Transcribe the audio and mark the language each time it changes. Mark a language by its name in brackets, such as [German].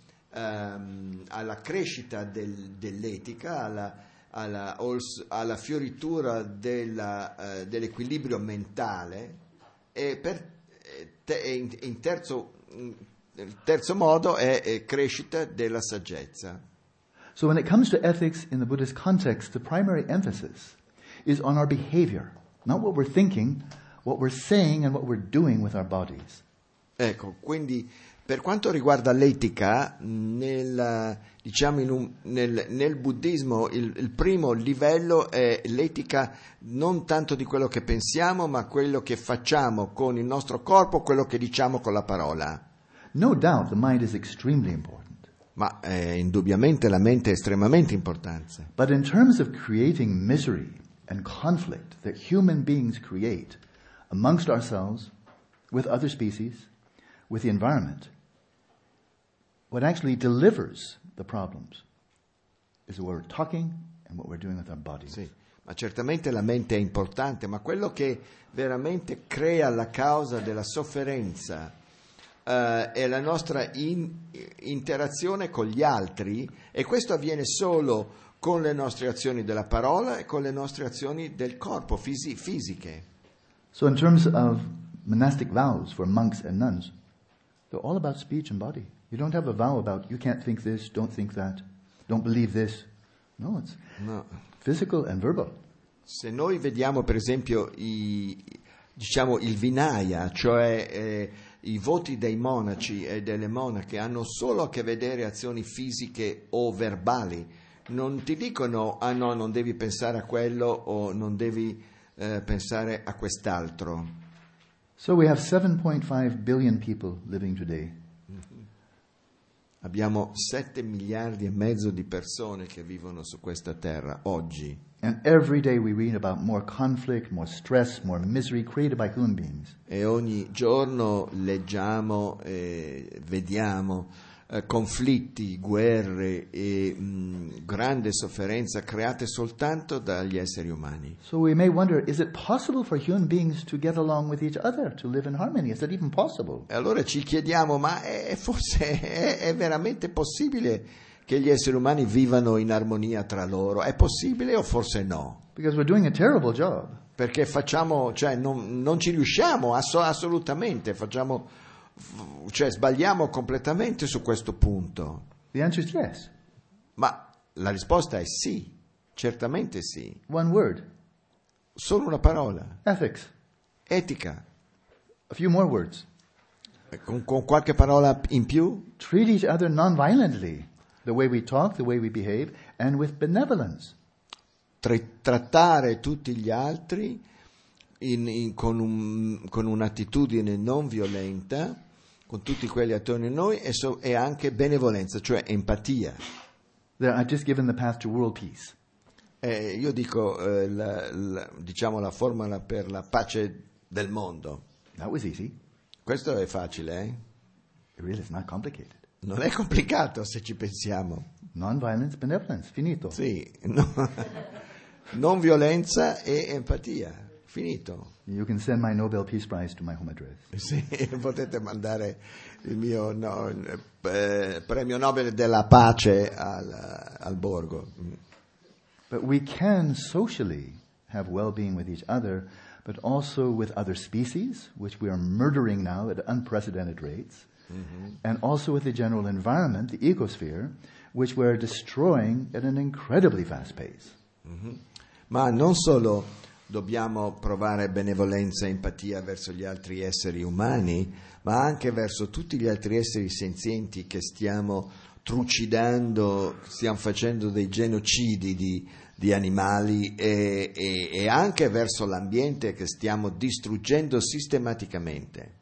[Italian] alla crescita dell'etica, alla fioritura dell'equilibrio mentale e in terzo modo è crescita della saggezza. [English] So when it comes to ethics in the Buddhist context, the primary emphasis is on our behavior, not what we're thinking, what we're saying, and what we're doing with our bodies. [Italian] Ecco, quindi per quanto riguarda l'etica, nel buddismo il primo livello è l'etica non tanto di quello che pensiamo, ma quello che facciamo con il nostro corpo, quello che diciamo con la parola. [English] No doubt the mind is extremely important. [Italian] Ma indubbiamente la mente è estremamente importante. [English] But in terms of creating misery and conflict that human beings create amongst ourselves, with other species, with the environment, what actually delivers the problems is what we're talking and what we're doing with our bodies. [Italian] Sì, ma certamente la mente è importante, ma quello che veramente crea la causa della sofferenza è la nostra interazione con gli altri, e questo avviene solo con le nostre azioni della parola e con le nostre azioni del corpo fisiche. [English] So in terms of monastic vows for monks and nuns, they're all about speech and body. You don't have a vow about you can't think this, don't think that, don't believe this. No, it's no. Physical and verbal. [Italian] Se noi vediamo per esempio il vinaya, cioè i voti dei monaci e delle monache hanno solo a che vedere azioni fisiche o verbali. Non ti dicono, ah no, non devi pensare a quello o non devi pensare a quest'altro. [English] So we have 7.5 billion people living today. Mm-hmm. [Italian] Abbiamo 7.5 miliardi di persone che vivono su questa terra oggi. [English] And every day we read about more conflict, more stress, more misery created by human beings. [Italian] E ogni giorno leggiamo e vediamo conflitti, guerre e grande sofferenza create soltanto dagli esseri umani. [English] So we may wonder, is it possible for human beings to get along with each other, to live in harmony? Is that even possible? [Italian] E allora ci chiediamo, ma è veramente possibile che gli esseri umani vivano in armonia tra loro? È possibile o forse no? [English] Because we're doing a terrible job. [Italian] Perché facciamo, cioè non ci riusciamo assolutamente, facciamo, cioè sbagliamo completamente su questo punto. [English] The answer is yes. [Italian] Ma la risposta è sì, certamente sì. [English] One word. [Italian] Solo una parola. [English] Ethics. [Italian] Etica. [English] A few more words. [Italian] Con qualche parola in più. [English] Treat each other non-violently, the way we talk, the way we behave, and with benevolence. [Italian] Trattare tutti gli altri con un'attitudine non violenta con tutti quelli attorno a noi e anche benevolenza, cioè empatia. [English] I've just given the path to world peace. [Italian] Io dico diciamo la formula per la pace del mondo. [English] That was easy. [Italian] Questo è facile, eh? [English] It really is not complicated. [Italian] Non è complicato se ci pensiamo. [English] Non-violence, benevolence, finito. [Italian] Sì, no. Non violenza e empatia. Finito. [English] You can send my Nobel Peace Prize to my home address. [Italian] Sì, potete mandare il mio premio Nobel della pace al borgo. [English] But we can socially have well-being with each other, but also with other species, which we are murdering now at unprecedented rates, mm-hmm. and also with the general environment, the ecosphere, which we are destroying at an incredibly fast pace. Mm-hmm. [Italian] Ma non solo dobbiamo provare benevolenza e empatia verso gli altri esseri umani, ma anche verso tutti gli altri esseri senzienti che stiamo trucidando, stiamo facendo dei genocidi di animali e anche verso l'ambiente che stiamo distruggendo sistematicamente.